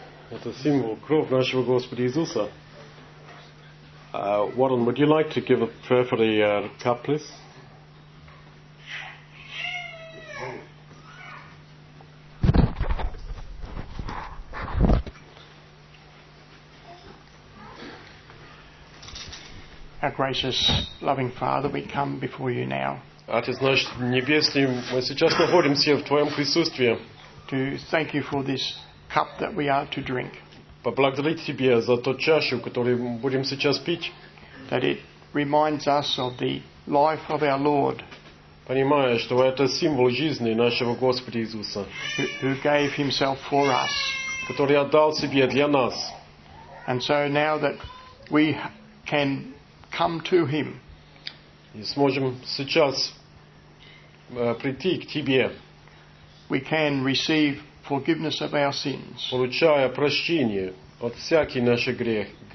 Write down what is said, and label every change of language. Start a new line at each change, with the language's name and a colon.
Russian: Это символ крови нашего Господа Иисуса.
English: Warren, would you like to give a prayer for the cup, please? Our gracious, loving Father, we come before you now.
Russian: Отец наш небесный, мы сейчас находимся в твоем присутствии.
English: To thank you for this cup that we are to drink.
Russian: Поблагодарить тебя за ту чашу, которую мы будем сейчас пить.
English: That it reminds us of the life of our Lord.
Russian: Понимая, что это символ жизни нашего Господа Иисуса.
English: Who gave himself for us.
Russian: Который отдал себя для нас.
English: And so now that we can come to him.
Russian: И сможем сейчас прийти к тебе.
English: We can receive forgiveness of our sins.
Russian: Получая прощение от всякий наш грех.